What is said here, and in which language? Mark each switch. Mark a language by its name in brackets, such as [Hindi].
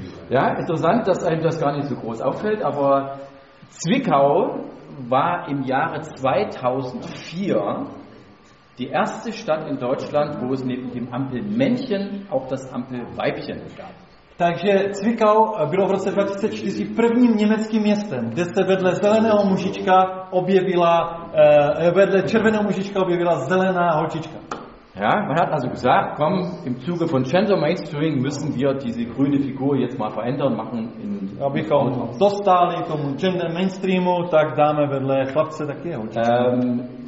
[German] Ja, interessant, dass einem das gar nicht so groß auffällt, aber Zwickau war im Jahre 2004 die erste Stadt in Deutschland, wo es neben dem Ampelmännchen auch das Ampelweibchen gab. [Czech] Takže Zwickau bylo v roce 2004 prvním německým městem, kde se vedle zeleného mužička objevila vedle červeného mužička objevila zelená holčička. [German] Ja, man hat also gesagt, komm, im Zuge von Gender Mainstreaming müssen wir diese grüne Figur jetzt mal verändern, machen in [Czech] abychom dostali tomu Gender Mainstreamu, tak dáme vedle chlapce taky holčičku.